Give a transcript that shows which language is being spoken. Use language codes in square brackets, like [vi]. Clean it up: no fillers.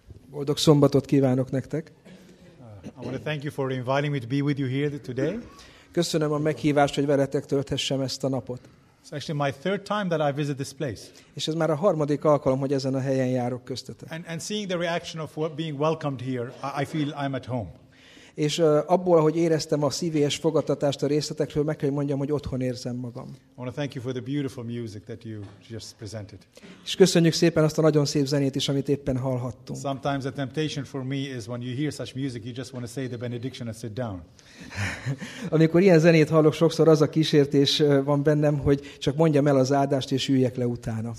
[hu] Boldog szombatot kívánok nektek. [en] I want to thank you for inviting me to be with you here today. [hu] Köszönöm a meghívást, hogy veletek tölthessem ezt a napot. [en] It's actually my third time that I visit this place. [hu] És ez már a harmadik alkalom, hogy ezen a helyen járok köztetek. [en] And seeing the reaction of being welcomed here, I feel I'm at home. [hu] És abból, ahogy éreztem a szívélyes fogadtatást a részletekről, meg kell mondjam, hogy otthon érzem magam. [en] I want to thank you for the beautiful music that you just presented. [hu] És köszönjük szépen azt a nagyon szép zenét is, amit éppen hallhattunk. [en] Sometimes the temptation for me is when you hear such music, you just want to say the benediction and sit down. [hu] Amikor ilyen zenét hallok, sokszor az a kísértés van bennem, hogy csak mondjam el az áldást és üljek le utána.